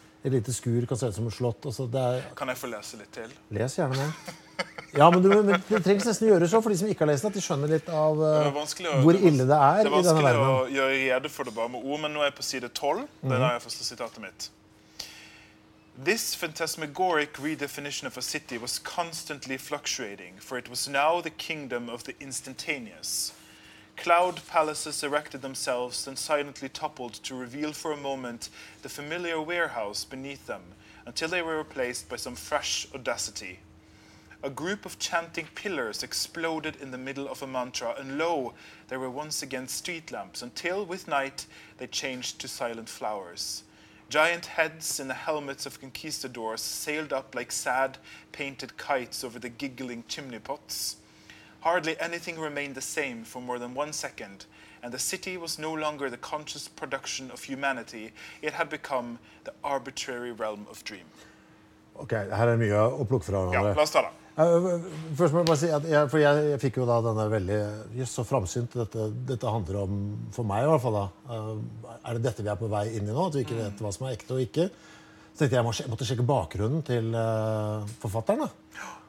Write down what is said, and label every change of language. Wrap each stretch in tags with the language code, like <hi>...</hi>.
<no>En lite skur kan se ut som et slott. Altså, kan jeg få lese litt til? Les gjerne med. Ja, men det trengs nesten å gjøre så, for de som ikke har lest det, at de skjønner litt av hvor ille det er i denne verden. Det er vanskelig å gjøre rede for det bare med ord, men nå er jeg på side 12. Det er der jeg første sitatet mitt.</no> <en>This phantasmagoric redefinition of a city was constantly fluctuating, for it was now the kingdom of the instantaneous. Cloud palaces erected themselves and silently toppled to reveal for a moment the familiar warehouse beneath them, until they were replaced by some fresh audacity. A group of chanting pillars exploded in the middle of a mantra, and lo, there were once again street lamps, until, with night, they changed to silent flowers. Giant heads in the helmets of conquistadors sailed up like sad, painted kites over the giggling chimney pots. Hardly anything remained the same for more than one second, and the city was no longer the conscious production of humanity. It had become the arbitrary realm of dream.</en> <no>Okay, her mye å plukke fra. Ja, la oss ta det. Først må jeg bare si at jeg fikk jo da denne veldig så framsynt. Dette handler om, for meg i hvert fall da, er det dette vi er på vei inn i nå, at vi ikke vet hva som er ekte og ikke. Så tenkte jeg måtte sjekke bakgrunnen til forfatteren da.</no>